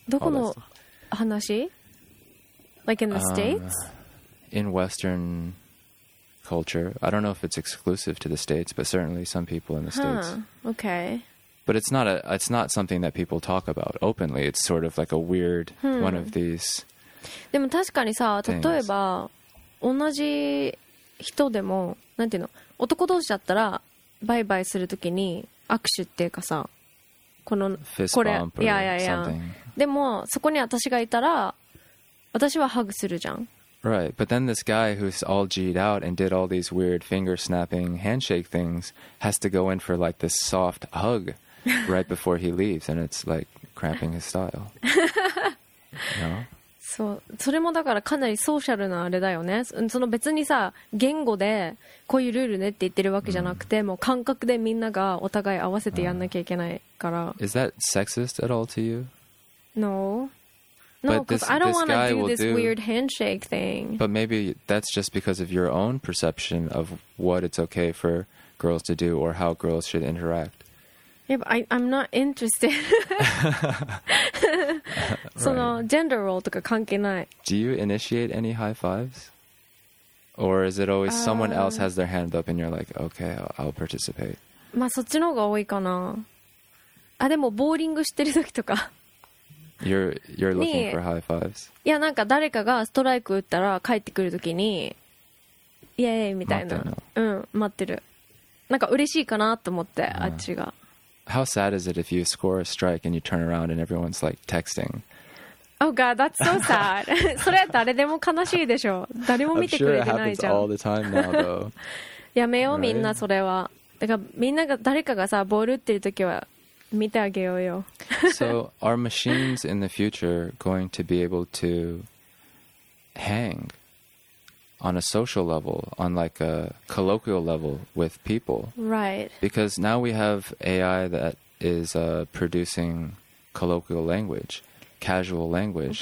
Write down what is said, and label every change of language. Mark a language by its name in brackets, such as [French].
[English] all that stuff. Like in the States? In Western culture. I don't know if it's exclusive to the States, but certainly some people in the States. Okay. But it's not something that people talk about openly. It's sort of like a weird one of these. [Japanese] でも確かにさ、例えば同じ人でも、なんていうの、男同士だったらバイバイするときに握手っていうかさ、このこれ、いやいやいや。でもそこに私がいたら、私はハグするじゃん。 [English] Right, but then this guy who's all G'd out and did all these weird finger-snapping handshake things has to go in for like this soft hug right before he leaves, and it's like cramping his style. No? [Japanese] そう、それもだからかなりソーシャルなあれだよね。その別にさ、言語でこういうルールねって言ってるわけじゃなくて、もう感覚でみんながお互い合わせてやんなきゃいけないから。 [English] Is that sexist at all to you? No. No, because I don't want to do this weird handshake thing. But maybe that's just because of your own perception of what it's okay for girls to do or how girls should interact. Yeah, but I'm not interested. [Japanese] その gender role とか関係ない。 [English] Do you initiate any high fives? Or is it always someone else has their hand up and you're like, okay, I'll participate? [Japanese] まあそっちの方が多いかな。あ、でもボーリングしてる時とか。 [English] You're looking for high fives. [Japanese] いやなんか誰かがストライク打ったら帰ってくるときにイエーイみたいな、うん、待ってる。なんか嬉しいかなと思って、あっちが。 [English] How sad is it if you score a strike and you turn around and everyone's like texting? Oh god, that's so sad. [Japanese] それ誰でも悲しいでしょ。誰も見てくれてないじゃん。 [English] I'm sure it happens all the time now though. [Japanese] やめよう、 [English] right? [Japanese] みんなそれは。だからみんなが誰かがさボール打ってるときは見てあげようよ。 [English] So are machines in the future going to be able to hang on a social level, on like a colloquial level with people? Right. Because now we have AI that is producing colloquial language, casual language,